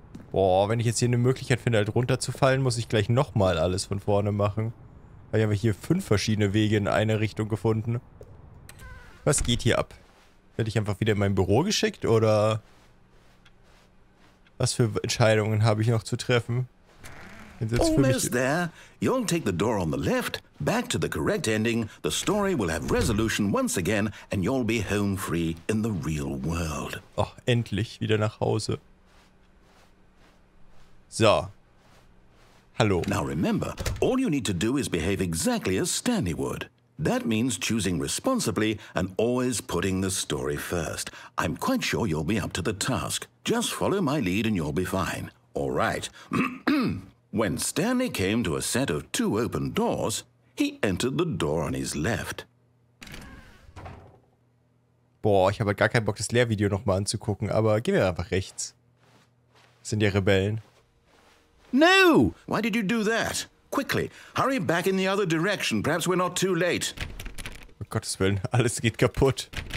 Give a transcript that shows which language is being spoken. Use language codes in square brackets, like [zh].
[de] Boah, wenn ich jetzt hier eine Möglichkeit finde, halt runterzufallen, muss ich gleich nochmal alles von vorne machen. Weil ich habe hier 5 verschiedene Wege in eine Richtung gefunden. Was geht hier ab? Werde ich einfach wieder in mein Büro geschickt, oder? Was für Entscheidungen habe ich noch zu treffen? [en] Almost there. You'll take the door on the left, back to the correct ending, the story will have resolution once again, and you'll be home free in the real world. [de] Ach, endlich wieder nach Hause. So. Hallo. [en] Now remember, all you need to do is behave exactly as Stanley would. That means choosing responsibly and always putting the story first. I'm quite sure you'll be up to the task. Just follow my lead and you'll be fine. All right. When Stanley came to a set of 2 open doors, he entered the door on his left. [de] Boah, ich habe gar keinen Bock, das Lehrvideo nochmal anzugucken, aber gehen wir einfach rechts. Sind ja Rebellen. [en] No! Why did you do that? Quickly, hurry back in the other direction. Perhaps we're not too late. [de] Um Gottes Willen, alles geht kaputt.